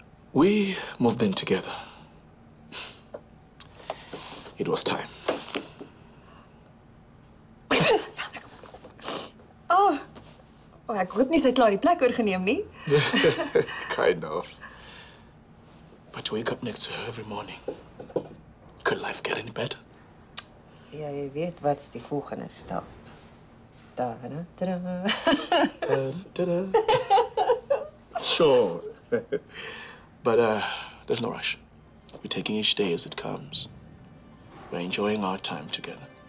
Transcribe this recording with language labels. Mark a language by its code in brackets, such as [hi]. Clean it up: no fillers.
[en] We moved in together. It was time. [af] Oh, ek hoop nie sy het klaar die plek oorgeneem nie. [en] Kind of. But to wake up next to her every morning, could life get any better? [af] Ja, jy weet wat's die volgende stap. Da-da-da. [en] Da-da-da. Sure. But there's no rush. We're taking each day as it comes. We're enjoying our time together.